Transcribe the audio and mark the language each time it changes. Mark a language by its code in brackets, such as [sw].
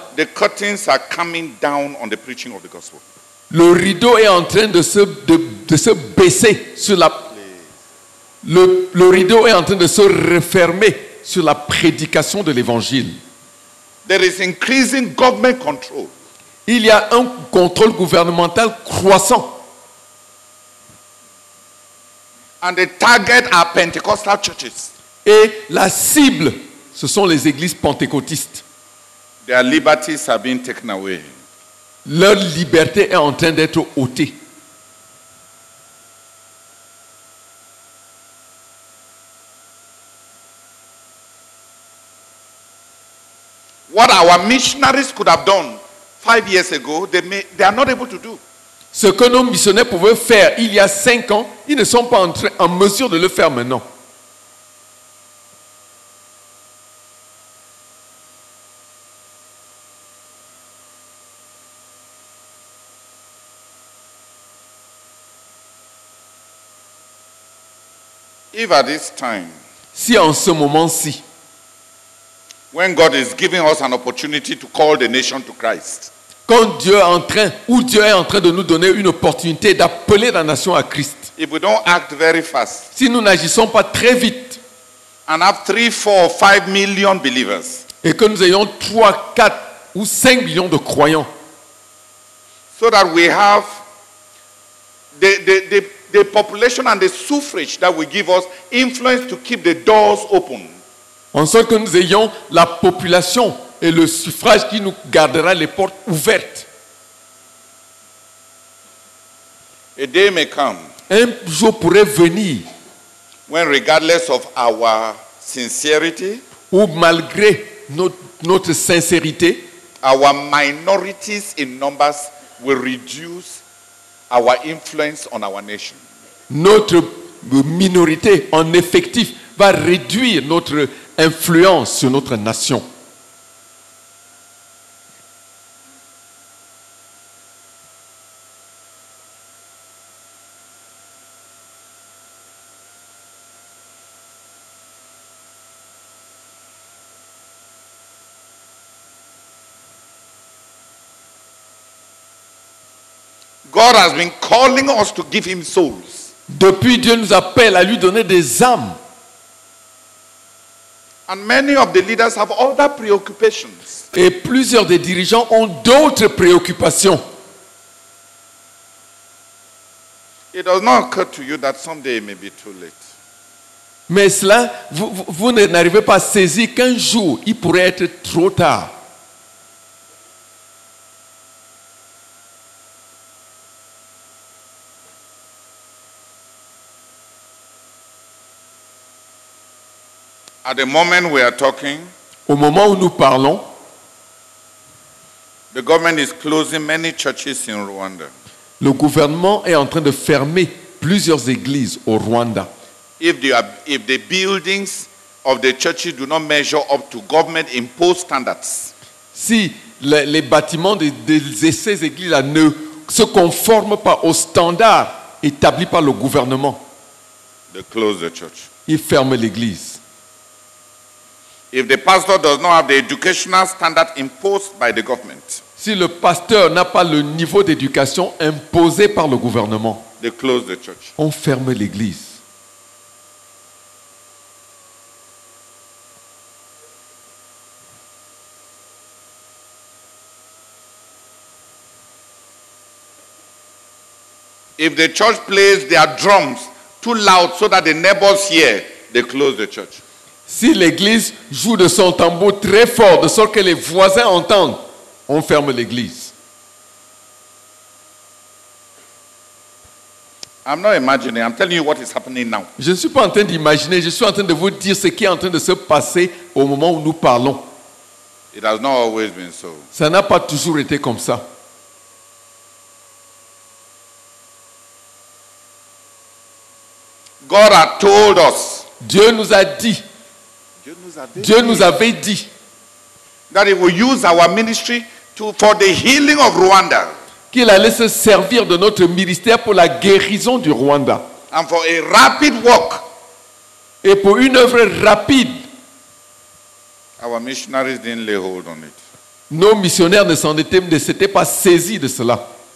[en] The curtains are coming down on the preaching of the gospel. [fr] Le rideau est en train de se baisser sur la. Le rideau est en train de se refermer sur la prédication de l'évangile. [en] There is increasing government control. [fr] Il y a un contrôle gouvernemental croissant. [en] And the target are Pentecostal churches. [fr] Et la cible, ce sont les églises pentecôtistes. [en] Their liberties are being taken away. [fr] Leur liberté est en train d'être ôtée. [en] What our missionaries could have done 5 years ago, they are not able to do. [fr] Ce que nos missionnaires pouvaient faire il y a 5 ans, ils ne sont pas en mesure de le faire maintenant. [en] If at this time, [fr] si en ce moment-ci, [en] when God is giving us an opportunity to call the nation to Christ, [fr] quand Dieu est en train, où Dieu est en train de nous donner une opportunité d'appeler la nation à Christ, [en] if we don't act very fast, [fr] si nous n'agissons pas très vite, [en] and have 3, 4, 5 million believers, [fr] et que nous ayons 3, 4 ou 5 millions de croyants, [en] so that we have the population and the suffrage that will give us influence to keep the doors open. [fr] En sorte que nous ayons la population et le suffrage qui nous gardera les portes ouvertes. [en] A day may come. [fr] Un jour pourrait venir. [en] When regardless of our sincerity, [fr] ou malgré notre sincérité, [en] our minorities in numbers will reduce our influence on our nation. [fr] Notre minorité en effectif va réduire notre influence sur notre nation. [en] God has been calling us to give him souls. [fr] Depuis, Dieu nous appelle à lui donner des âmes. [en] And many of the leaders have other preoccupations. [fr] Et plusieurs des dirigeants ont d'autres préoccupations. [en] It does not occur to you that someday it may be too late. [fr] Mais cela, vous n'arrivez pas à saisir qu'un jour, il pourrait être trop tard. [en] At the moment we are talking, [fr] au moment où nous parlons, [en] The government is closing many churches in Rwanda. [fr] Le gouvernement est en train de fermer plusieurs églises au Rwanda. [en] If the buildings of the churches do not measure up to government imposed standards. [fr] Si les bâtiments de ces églises ne se conforment pas aux standards établis par le gouvernement. [en] They close the church. [fr] Ils ferment l'église. [en] If the pastor does not have the educational standard imposed by the government. [fr] Si le pasteur n'a pas le niveau d'éducation imposé par le gouvernement. [en] They close the church. [fr] On ferme l'église. [en] If the church plays their drums too loud so that the neighbors hear, they close the church. [fr] Si l'église joue de son tambour très fort de sorte que les voisins entendent, on ferme l'église. [en] I'm not imagining, I'm telling you what is happening now. [fr] Je ne suis pas en train d'imaginer, je suis en train de vous dire ce qui est en train de se passer au moment où nous parlons. [en] It has not always been so. [fr] Ça n'a pas toujours été comme ça. [en] God had told us. [fr] Dieu nous avait dit [en] that he will use our ministry for the healing of Rwanda. [fr] Qu'il allait se servir de notre ministère pour la guérison du Rwanda. [en] And for a rapid work. [fr] Et pour une œuvre rapide. [en] Our missionaries didn't lay hold on it. [fr] Nos missionnaires ne s'étaient pas saisis de cela.